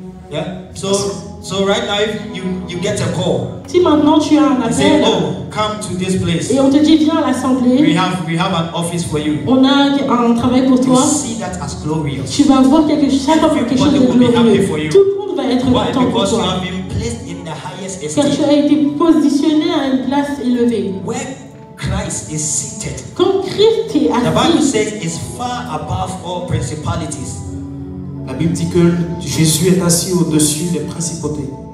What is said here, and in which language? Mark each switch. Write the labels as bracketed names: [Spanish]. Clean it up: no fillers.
[English] Yeah. So So right now, if you get a call, [French] si maintenant tu as un appel, [English] say, oh, come to this place. [French] Et on te dit viens à l'assemblée. [English] We have an office for you. [French] On a un travail pour toi. [English] You see that as glorious. [French] Tu vas voir quelque chose de glorieux. Tout le monde va être content pour toi. [English] Because you have been placed in the highest estate. [French] Car tu as été positionné à une place élevée. [English] Where Christ is seated. [French] Comme Christ est assis. [English] The Bible says it's far above all principalities. [French] La Bible dit que Jésus est assis au-dessus des principautés.